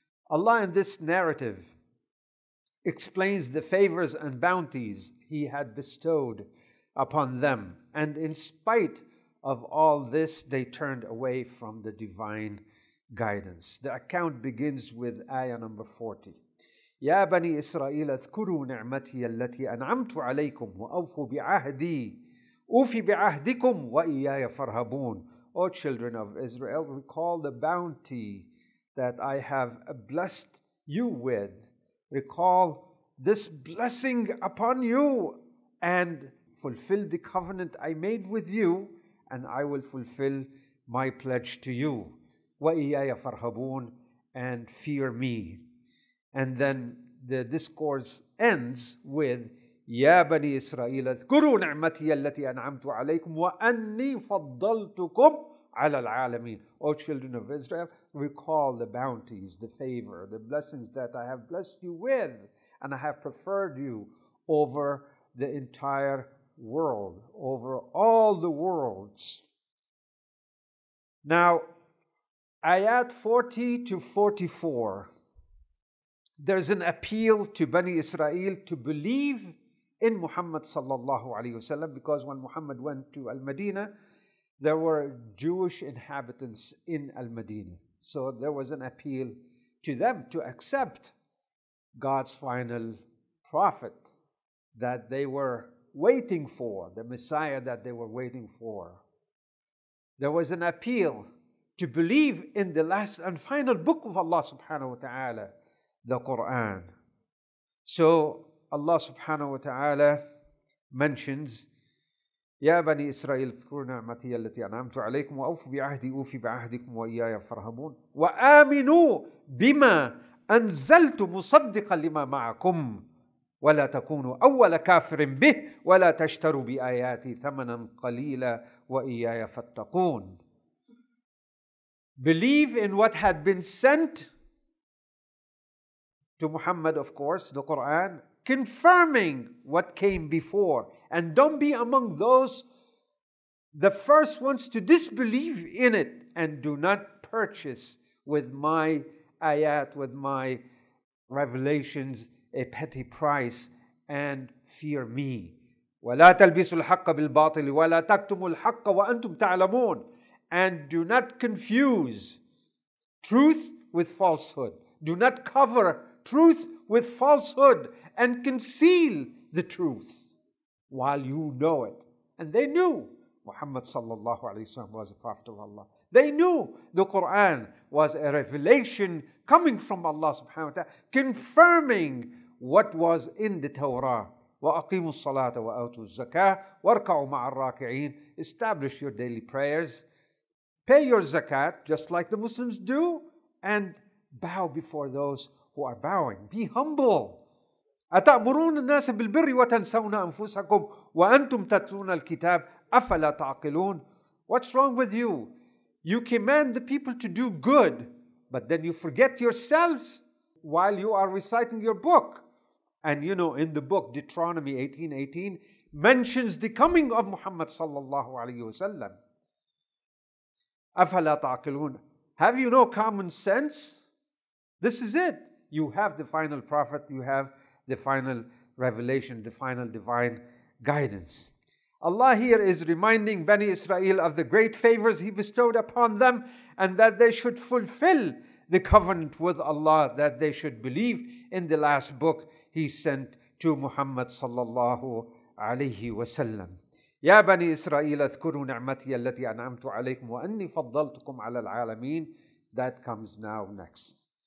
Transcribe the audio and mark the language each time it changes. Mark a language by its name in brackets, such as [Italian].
[English] Allah in this narrative explains the favors and bounties He had bestowed upon them, and in spite of all this, they turned away from the divine guidance. The account begins with ayah number 40. [Arabic] يَا بَنِي إِسْرَائِيلَ اذْكُرُوا نِعْمَتِيَ الَّتِي أَنْعَمْتُ عَلَيْكُمْ وَأَوْفُوا بِعَهْدِي أُوفِ بِعَهْدِكُمْ وَإِيَّايَ فَرْهَبُونَ. [English] O children of Israel, recall the bounty that I have blessed you with. Recall this blessing upon you and fulfill the covenant I made with you, and I will fulfill my pledge to you. [Arabic] وَإِيَّايَ فَرْهَبُونَ. [English] And fear me. And then the discourse ends with [Arabic] يَا بَنِي إِسْرَائِيلَ اذْكُرُوا نِعْمَتِيَ الَّتِي أَنْعَمْتُ عَلَيْكُمْ وَأَنِّي فَضَّلْتُكُمْ عَلَى الْعَالَمِينَ [English] O children of Israel, recall the bounties, the favor, the blessings that I have blessed you with, and I have preferred you over the entire world, over all the worlds. Now, Ayat 40 to 44, there's an appeal to Bani Israel to believe in Muhammad sallallahu alayhi wasallam, because when Muhammad went to Al-Madinah, there were Jewish inhabitants in Al-Madinah. So there was an appeal to them to accept God's final prophet that they were waiting for, the Messiah that they were waiting for. There was an appeal to believe in the last and final book of Allah subhanahu wa ta'ala, the Quran. So Allah subhanahu wa ta'ala mentions, [Arabic] يَا بَنِي إِسْرَائِيلَ اذْكُرُوا نِعْمَتِيَ الَّتِي أَنْعَمْتُ عَلَيْكُمْ وَأَوْفُوا بِعَهْدِي أُوفِ بِعَهْدِكُمْ وَإِيَّايَ فَارْهَبُونِ وَآمِنُوا بِمَا أَنْزَلْتُ مُصَدِّقًا لِمَا مَعَكُمْ وَلَا تَكُونُوا أَوَّلَ كَافِرٍ بِهِ وَلَا تَشْتَرُوا بِآيَاتِي ثَمَنًا قَلِيلًا وَإِيَّايَ فَاتَّقُونِ [English] Believe in what had been sent to Muhammad, of course, the Quran, confirming what came before. And don't be among those, the first ones to disbelieve in it, and do not purchase with my ayat, with my revelations, a petty price, and fear me. [Arabic] وَلَا تَلْبِسُوا الْحَقَّ بِالْبَاطِلِ وَلَا تَكْتُمُوا الْحَقَّ وَأَنْتُمْ تَعْلَمُونَ [English] And do not confuse truth with falsehood. Do not cover truth with falsehood and conceal the truth while you know it. And they knew Muhammad sallallahu alayhi wa sallam was a prophet of Allah. They knew the Quran was a revelation coming from Allah subhanahu wa ta'ala, confirming what was in the Torah. [Arabic] وَأَقِيمُوا الصَّلَاةَ وَأَوْتُوا الزَّكَاةَ وَارْكَعُوا مَعَ الرَّاكِعِينَ [English] Establish your daily prayers. Pay your zakat, just like the Muslims do, and bow before those who are bowing. Be humble. [Arabic] أَتَأْمُرُونَ النَّاسَ بِالْبِرِّ وَتَنْسَوْنَ أَنفُسَكُمْ وَأَنْتُمْ تَتْلُونَ الْكِتَابِ أَفَلَا تَعْقِلُونَ [English] What's wrong with you? You command the people to do good, but then you forget yourselves while you are reciting your book. And you know, in the book, Deuteronomy 18:18 mentions the coming of Muhammad sallallahu alayhi wa sallam. [Arabic] أَفَلَا تَعْقِلُونَ [English] Have you no common sense? This is it. You have the final prophet, you have the final revelation, the final divine guidance. Allah here is reminding Bani Israel of the great favors He bestowed upon them and that they should fulfill the covenant with Allah, that they should believe in the last book He sent to Muhammad sallallahu alayhi wa sallam. [Arabic] يَا بَنِي إِسْرَائِيلَ اذْكُرُوا نِعْمَتِيَ الَّتِي أَنْعَمْتُ عَلَيْكُمْ وَأَنِّي فَضَّلْتُكُمْ عَلَى الْعَالَمِينَ [English] That comes now next.